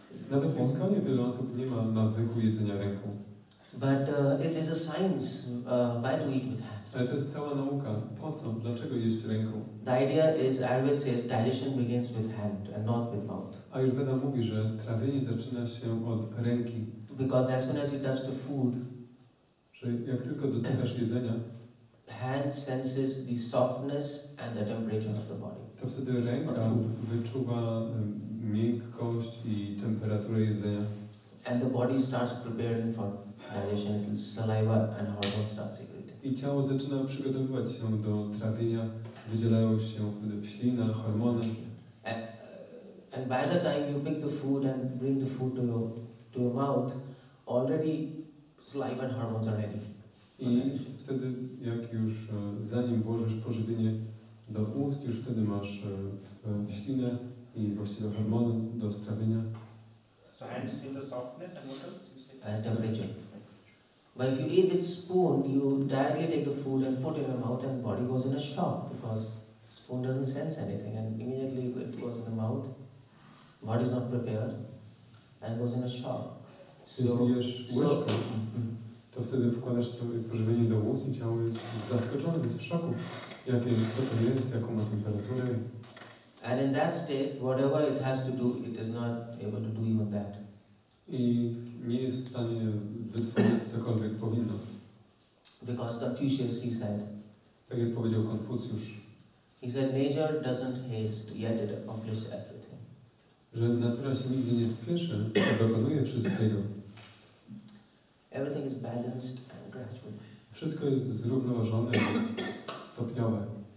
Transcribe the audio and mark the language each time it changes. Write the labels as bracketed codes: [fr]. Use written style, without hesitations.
[pl] Nawet w ISKCONie wiele osób nie ma nawyku jedzenia ręką. [en] But it is a science why to eat with hand. [pl] Ale to jest cała nauka. Po co? Dlaczego jeść ręką? [en] The idea is, Ayurveda says, digestion begins with hand and not with mouth. [pl] Ayurveda mówi, że trawienie zaczyna się od ręki. [en] Because as soon as you touch the food, [pl] że jak tylko dotykasz jedzenia, [en] hand senses the softness and the temperature of the body. [pl] To wtedy ręka wyczuwa miękkość i temperaturę jedzenia. [en] And the body starts preparing for digestion. The saliva and hormones start secreting. [pl] I ciało zaczyna przygotowywać się do trawienia. Wydzielają się wtedy ślina, hormony. [en] And by the time you pick the food and bring the food to your mouth, already saliva and hormones are ready. [pl] I wtedy, jak już zanim włożysz pożywienie do ust, już wtedy masz ślinę i właściwie hormony do strawienia. [en] So hand is in the softness and what else? And temperature. But if you eat with spoon, you directly take the food and put it in your mouth, and body goes in a shock because spoon doesn't sense anything, and immediately it goes in the mouth. Body is not prepared and goes in a shock. [pl] Łyżkę, to wtedy wkładasz sobie pożywienie do ust i ciało jest zaskoczone, jest w szoku. Jakie jest, co to jest, jaką ma temperaturę. [en] And in that state, whatever it has to do, it is not able to do even that. [pl] I nie jest w stanie wytworzyć cokolwiek powinno. [en] Because Confucius, he said. [pl] Tak jak powiedział Konfucjusz. [en] He said, nature doesn't haste, yet it accomplishes effort. [pl] Że natura się nigdy nie spieszy, a dokonuje wszystkiego. [en] Everything is balanced and gradual. [pl] Wszystko jest zrównoważone i stopniowe.